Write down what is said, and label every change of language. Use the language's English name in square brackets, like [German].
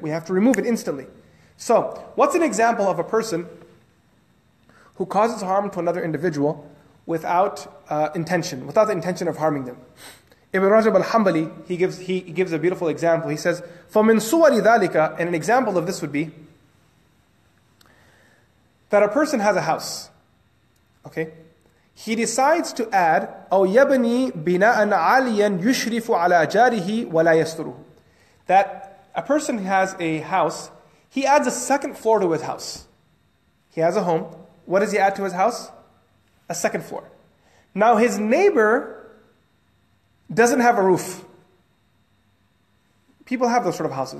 [English] We have to remove it instantly. So, what's an example of a person who causes harm to another individual without intention, without the intention of harming them? Ibn Rajab al-Hanbali, he gives a beautiful example. He says, [Arabic] فَمِن صُوَرِ ذَلِكَ, [English] and an example of this would be, that a person has a house. Okay? He decides to add, [Arabic] أَوْ يَبْنِي بِنَاءً عَلِيًا يُشْرِفُ عَلَى جَارِهِ وَلَا يَسْتُرُ. [English] That a person has a house, he adds a second floor to his house. He has a home. What does he add to his house? A second floor. Now his neighbor doesn't have a roof. People have those sort of houses.